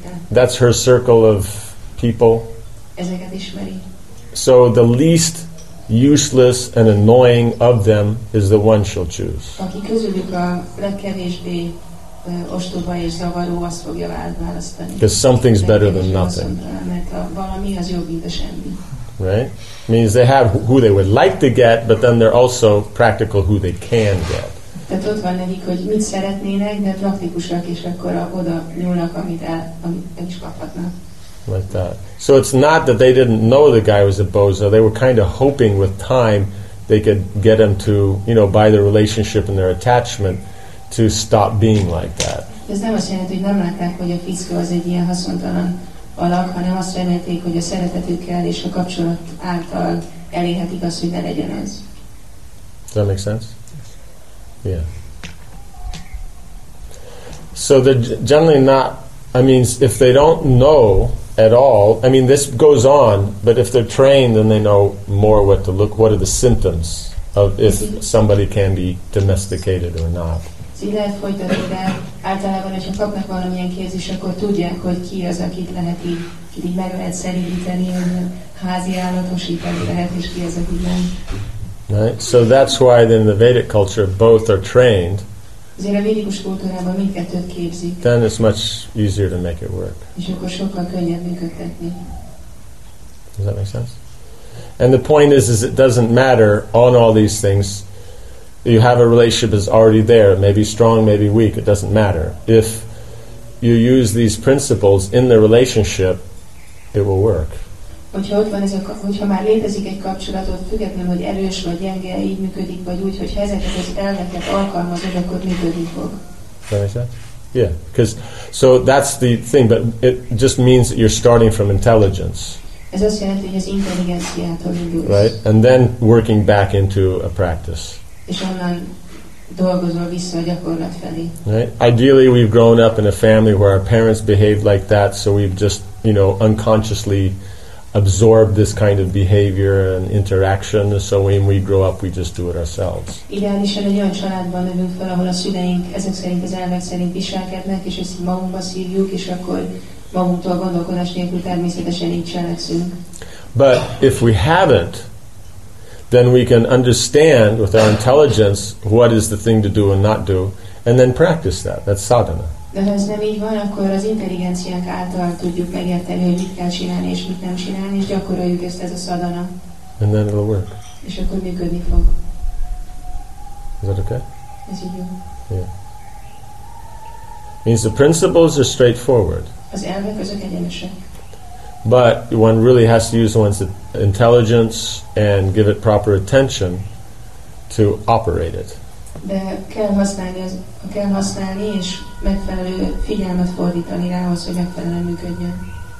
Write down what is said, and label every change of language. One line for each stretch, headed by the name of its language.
English: That's her circle of people. So the least useless and annoying of them is the one she'll choose.
Hungarian: Aki közülük a legkevésbé ostoba és zavaró, azt fogja választani.
English: Because something's better than nothing.
Hungarian: Mert valami az jobb, mint a semmi.
English: Right? Means they have who they would like to get, but then they're also practical who they can get.
Hungarian: Tehát ott van nekik, hogy mit szeretnének, de praktikusak, és akkor oda nyúlnak, amit is kaphatnak.
English: Like that. So it's not that they didn't know the guy was a bozo. They were kind of hoping with time they could get him to, you know, by their relationship and their attachment, to stop being like that.
Hungarian: Ez nem azt jelenti, hogy nem látták, hogy a fickó az egy ilyen haszontalan alak, hanem azt remélték, hogy a szeretetükkel és a kapcsolat által elérhetik azt, hogy ne legyen ez.
English: Does that make sense? Yeah. So they're generally not, I mean, if they don't know at all, I mean, this goes on, but if they're trained, then they know more what to look, what are the symptoms of if somebody can be domesticated or not. Right? So that's why in the Vedic culture, both are trained.
Hungarian: Azért a védikus kultúrában mindkettőt képzik.
English: Then it's much easier to make it work.
Hungarian: És akkor sokkal könnyebb működtetni.
English: Does that make sense? And the point is it doesn't matter on all these things. You have a relationship that's already there. Maybe strong, maybe weak. It doesn't matter. If you use these principles in the relationship, it will work.
Hungarian: Hogyha ott van ez a, hogyha már létezik egy kapcsolatod, függetlenül, hogy erős vagy gyenge, így működik, vagy úgy, hogy ha ezeket az elveket alkalmazod, akkor működni fog.
English: Yeah, because so that's the thing, but it just means that you're starting from intelligence.
Hungarian: Ez azt jelenti, hogy az intelligenciától indulsz.
English: Right, and then working back into a practice.
Hungarian: És onnan dolgozol vissza a gyakorlat felé.
English: Right, ideally we've grown up in a family where our parents behaved like that, so we've just, you know, unconsciously absorb this kind of behavior and interaction, so when we grow up we just do it ourselves.
Hungarian: Ideálisan egy olyan családban nevünk fel, ahol a szüleink ezek szerint az elvek szerint viselkednek, és ezt magunkba szívjuk, és akkor magunktól gondolkodás nélkül természetesen így cselekszünk.
English: But if we haven't, then we can understand with our intelligence what is the thing to do and not do, and then practice that. That's sadhana.
Hungarian: De ha ez nem így van, akkor az intelligenciánk által tudjuk megérteni, hogy mit kell csinálni és mit nem csinálni, és gyakoroljuk ezt, ez a szadana.
English: And then it'll work.
Hungarian: És akkor működni fog.
English: Is that okay?
Hungarian: Ez így jó.
English: Yeah. Means the principles are straightforward.
Hungarian: Az elvek azok egyenesek.
English: But one really has to use one's intelligence and give it proper attention to operate it.
Hungarian: De kell használni és megfelelő figyelmet fordítani rá, ahhoz, hogy megfelelően működjön.